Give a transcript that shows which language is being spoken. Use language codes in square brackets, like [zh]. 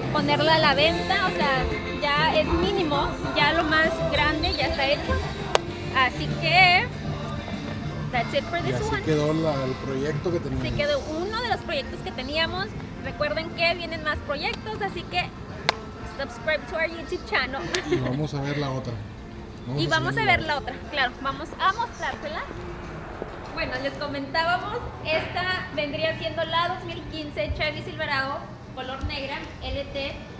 [es] Ponerla a la venta, o sea, ya es mínimo, ya lo más grande ya está hecho. Así que [en] that's it for this one. [es] Así quedó el proyecto que teníamos. Así quedó uno de los proyectos que teníamos. Recuerden que vienen más proyectos, así que [en] subscribe to our YouTube channel. [es] Y vamos a ver la otra. Vamos y a vamos a ver la otra, claro, vamos a mostrársela. Bueno, les comentábamos, esta vendría siendo la 2015 Chevy Silverado, color negra, LT.